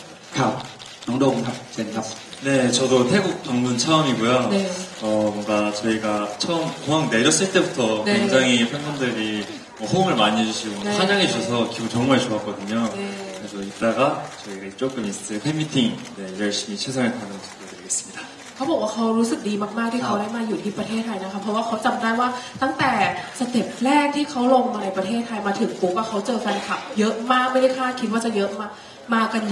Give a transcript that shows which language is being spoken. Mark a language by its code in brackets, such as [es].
[th] เขาบอกว่าเป็นครั้งแรกเลยนะคะที่เขาได้มีโอกาสมาประเทศไทยแล้วเขารู้สึกโชคดีมากๆที่มีโอกาสมาประเทศไทยแล้วก็ได้มีโอกาสเจอแฟนคลับใกล้ชิดในงานแฟนมีทด้วยอีกไม่กี่ชั่วโมงเขาก็จะเจอกันแล้วนะคะบอกว่าเขาจะเต็มที่กับงานเพื่อทุกคนครับน้องโดมครับเชิญครับ [ko] 네, 저도 태국 방문 처음이고요. 네. 뭔가 공항 내렸을 때부터 네. 굉장히 팬분들이 호응을 많이 해주시고 네. 환영해 주셔서 기분 정말 좋았거든요. 네. 이따가 저희가 조금 있을 팬미팅 네, 열심히 최선을 다하는 부탁드리겠습니다. [th] เขาบอกว่าเขารู้สึกดีมากๆที่เขาได้มาอยู่ที่ประเทศไทยนะคะเพราะว่าเขาจำได้ว่าตั้งแต่สเต็ปแรกที่เขาลงมาในประเทศไทยมาถึงปุ๊บก็เขาเจอแฟนคลับเยอะมากไม่ได้คาดคิดว่าจะเยอะมาก